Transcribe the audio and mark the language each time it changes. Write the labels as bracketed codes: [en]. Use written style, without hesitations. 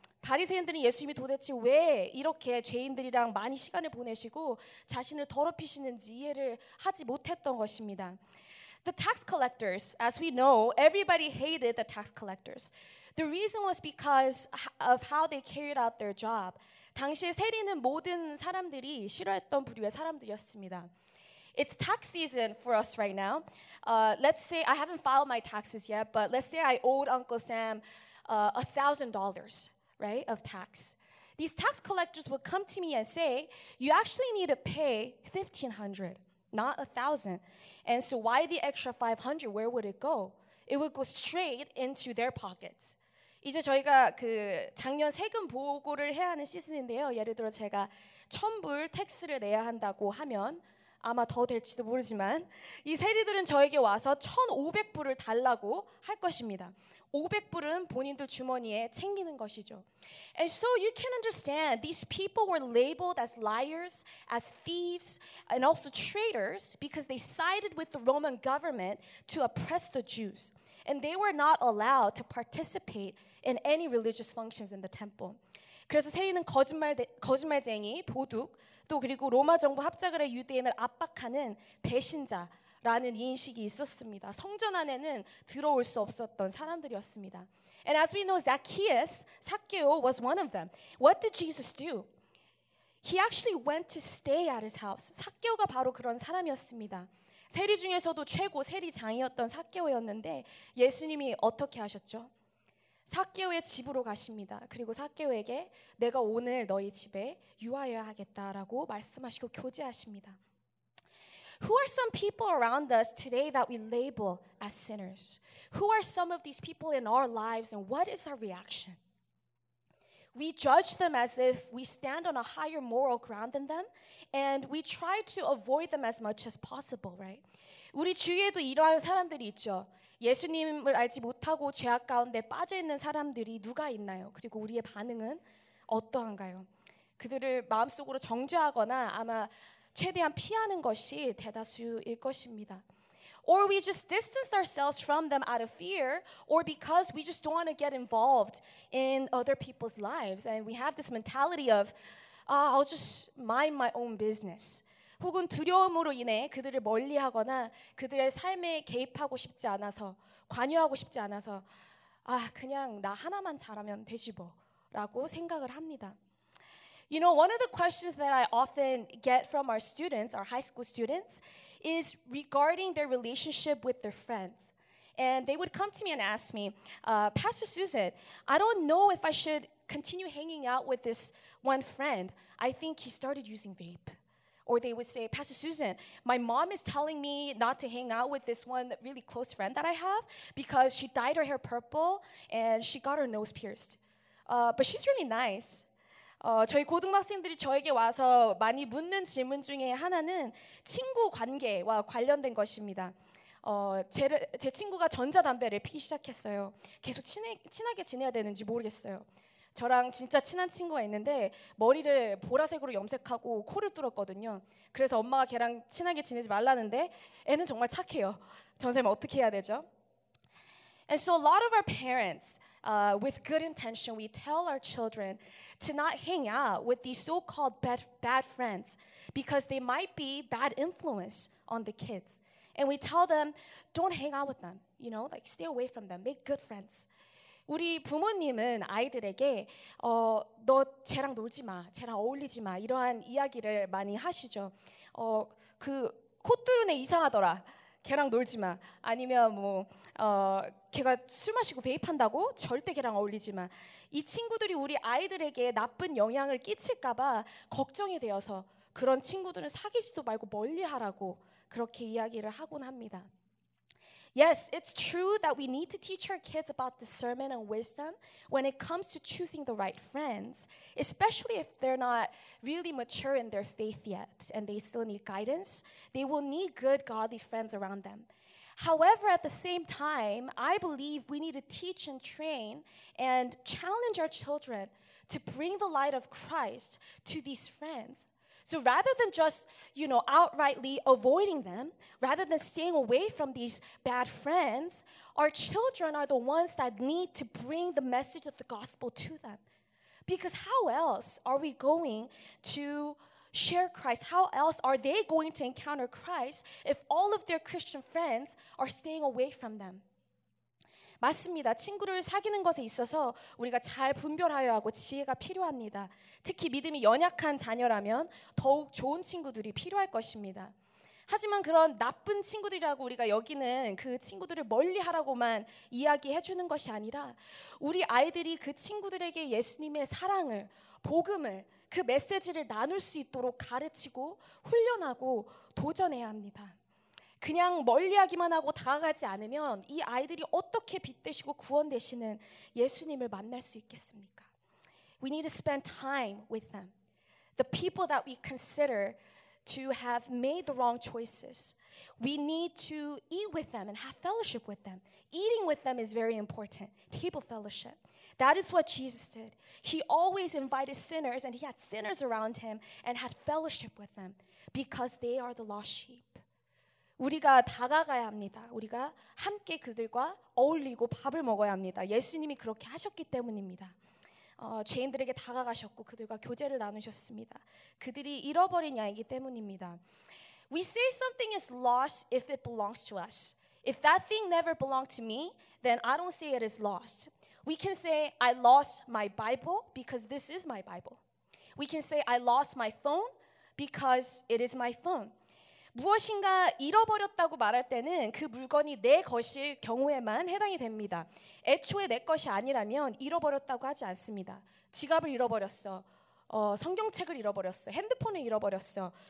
[ko] 바리새인들은 예수님이 도대체 왜 이렇게 죄인들이랑 많이 시간을 보내시고 자신을 더럽히시는지 이해를 하지 못했던 것입니다. [en] The tax collectors, as we know, everybody hated the tax collectors. The reason was because of how they carried out their job. [ko] 당시에 세리는 모든 사람들이 싫어했던 부류의 사람들이었습니다. [en] It's tax season for us right now. Let's say I haven't filed my taxes yet, but let's say I owed Uncle Sam $1,000, right, of tax. These tax collectors would come to me and say, you actually need to pay $1,500, not $1,000. And so why the extra $500? Where would it go? It would go straight into their pockets. [ko] 이제 저희가 그 작년 세금 보고를 해야 하는 시즌인데요. 예를 들어 제가 $1,000 tax를 내야 한다고 하면 아마 더 될지도 모르지만 이 세리들은 저에게 와서 1,500불을 달라고 할 것입니다. 500불은 본인들 주머니에 챙기는 것이죠. [en] And so you can understand these people were labeled as liars, as thieves, and also traitors because they sided with the Roman government to oppress the Jews. And they were not allowed to participate in any religious functions in the temple. [ko] 그래서 세리는 거짓말쟁이, 도둑, 또 그리고 로마 정부 합작을 해 유대인을 압박하는 배신자라는 인식이 있었습니다. 성전 안에는 들어올 수 없었던 사람들이었습니다. [en] And as we know, Zacchaeus, 삭개오 was one of them. What did Jesus do? He actually went to stay at his house. [ko] 삭개오가 바로 그런 사람이었습니다. 세리 중에서도 최고 세리장이었던 삭개오였는데 예수님이 어떻게 하셨죠? 삭개오의 집으로 가십니다. 그리고 삭개오에게 내가 오늘 너희 집에 유하여야 하겠다라고 말씀하시고 교제하십니다. [en] Who are some people around us today that we label as sinners? Who are some of these people in our lives and what is our reaction? We judge them as if we stand on a higher moral ground than them and we try to avoid them as much as possible, right? [ko] 우리 주위에도 이러한 사람들이 있죠. 예수님을 알지 못하고 죄악 가운데 빠져있는 사람들이 누가 있나요? 그리고 우리의 반응은 어떠한가요? 그들을 마음속으로 정죄하거나 아마 최대한 피하는 것이 대다수일 것입니다. [en] Or we just distance ourselves from them out of fear or because we just don't want to get involved in other people's lives. And we have this mentality of, I'll just mind my own business. [ko] 혹은 두려움으로 인해 그들을 멀리하거나 그들의 삶에 개입하고 싶지 않아서, 관여하고 싶지 않아서, 아, 그냥 나 하나만 잘하면 되지 뭐, 라고 생각을 합니다. [en] You know, one of the questions that I often get from our students, our high school students, is regarding their relationship with their friends. And they would come to me and ask me, Pastor Susan, I don't know if I should continue hanging out with this one friend. I think he started using vape. Or they would say, Pastor Susan, my mom is telling me not to hang out with this one really close friend that I have because she dyed her hair purple and she got her nose pierced. But she's really nice. [ko] 저희 고등학생들이 저에게 와서 많이 묻는 질문 중에 하나는 친구 관계와 관련된 것입니다. 제 친구가 전자담배를 피기 시작했어요. 계속 친하게 지내야 되는지 모르겠어요. 저랑 진짜 친한 친구가 있는데 머리를 보라색으로 염색하고 코를 뚫었거든요. 그래서 엄마가 걔랑 친하게 지내지 말라는데 애는 정말 착해요. 전 선생님 어떻게 해야 되죠? [en] And so a lot of our parents, with good intention, we tell our children to not hang out with these so-called bad friends because they might be bad influence on the kids. And we tell them, don't hang out with them, you know, like stay away from them, make good friends. [ko] 우리 부모님은 아이들에게 너 쟤랑 놀지 마, 쟤랑 어울리지 마 이러한 이야기를 많이 하시죠. 그 코뚜루네 이상하더라, 걔랑 놀지 마. 아니면 뭐 걔가 술 마시고 베이프한다고 절대 걔랑 어울리지 마. 이 친구들이 우리 아이들에게 나쁜 영향을 끼칠까봐 걱정이 되어서 그런 친구들은 사귀지도 말고 멀리하라고 그렇게 이야기를 하곤 합니다. [en] Yes, it's true that we need to teach our kids about discernment and wisdom when it comes to choosing the right friends, especially if they're not really mature in their faith yet and they still need guidance. They will need good, godly friends around them. However, at the same time, I believe we need to teach and train and challenge our children to bring the light of Christ to these friends. So rather than just, you know, outrightly avoiding them, rather than staying away from these bad friends, our children are the ones that need to bring the message of the gospel to them. Because how else are we going to share Christ? How else are they going to encounter Christ if all of their Christian friends are staying away from them? [ko] 맞습니다. 친구를 사귀는 것에 있어서 우리가 잘 분별하여야 하고 지혜가 필요합니다. 특히 믿음이 연약한 자녀라면 더욱 좋은 친구들이 필요할 것입니다. 하지만 그런 나쁜 친구들이라고 우리가 여기는 그 친구들을 멀리하라고만 이야기해주는 것이 아니라 우리 아이들이 그 친구들에게 예수님의 사랑을, 복음을, 그 메시지를 나눌 수 있도록 가르치고 훈련하고 도전해야 합니다. 그냥 멀리하기만 하고 다가가지 않으면 이 아이들이 어떻게 빛되시고 구원되시는 예수님을 만날 수 있겠습니까? [en] We need to spend time with them. The people that we consider to have made the wrong choices. We need to eat with them and have fellowship with them. Eating with them is very important. Table fellowship. That is what Jesus did. He always invited sinners and he had sinners around him and had fellowship with them because they are the lost sheep. [ko] 우리가 다가가야 합니다. 우리가 함께 그들과 어울리고 밥을 먹어야 합니다. 예수님이 그렇게 하셨기 때문입니다. 죄인들에게 다가가셨고 그들과 교제를 나누셨습니다. 그들이 잃어버린 양이기 때문입니다. [en] We say something is lost if it belongs to us. If that thing never belonged to me, then I don't say it is lost. We can say I lost my Bible because this is my Bible. We can say I lost my phone because it is my phone. [ko] 무엇인가 잃어버렸다고 말할 때는 그 물건이 내 것일 경우에만 해당이 됩니다. 애초에 내 것이 아니라면 잃어버렸다고 하지 않습니다. 지갑을 잃어버렸어, 성경책을 잃어버렸어, 핸드폰을 잃어버렸어.